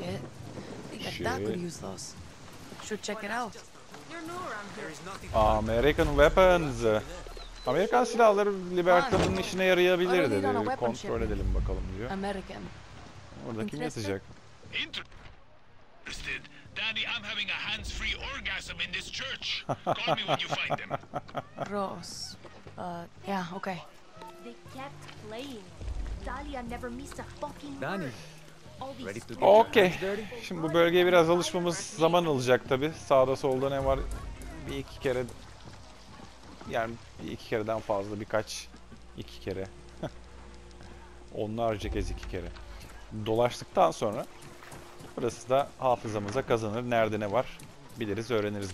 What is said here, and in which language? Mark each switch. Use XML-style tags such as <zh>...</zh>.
<en>I think a duck could use those. Should check it out. American weapons.</en> <tr>Amerikan silahları Libertad'ın işine yarayabilir dedi. Kontrol edelim bakalım diyor.</tr> <en>American.</en> <tr>Orada kim yatacak?</tr> <en>Interested. Daddy, I'm having a hands-free orgasm in this church. Call me when you find them. Gross. Yeah, okay. They kept playing. Dahlia never missed a fucking word. Danny. Okay.</en> <tr>Şimdi bu bölgeye biraz alışmamız zaman alacak tabii. Sağda solda ne var? Bir iki kere. Yani bir iki kereden fazla birkaç. İki kere. Onlarca kez iki kere. Dolaştıktan sonra burası da hafızamıza kazanır. Nerede ne var? Biliriz, öğreniriz.</tr>